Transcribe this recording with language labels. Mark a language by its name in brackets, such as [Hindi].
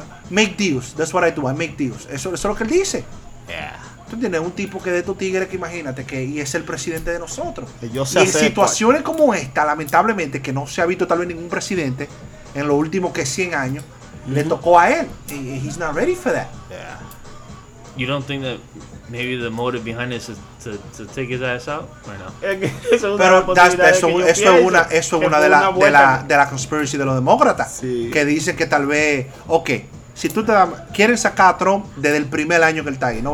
[English] Make deals, that's what I do, I make deals. [Spanish] Eso es lo que él dice. [English] Yeah. [Spanish] ¿Tú entiendes? Un tipo que de tu tigre, que imagínate, que y es el presidente de nosotros. Yo y en situaciones como esta, lamentablemente, que no se ha visto tal vez ningún presidente en los últimos que 100 años, mm-hmm. Le tocó a él. [English] He's not ready for that. Yeah. You don't think that maybe the motive behind this is to take his ass out? Or no? [Spanish] Pero eso es una de las conspiracy de los demócratas. Sí. Que dicen que tal vez, ok. Si tú te das, quieren sacar a Trump desde el primer año que él está ahí, ¿no?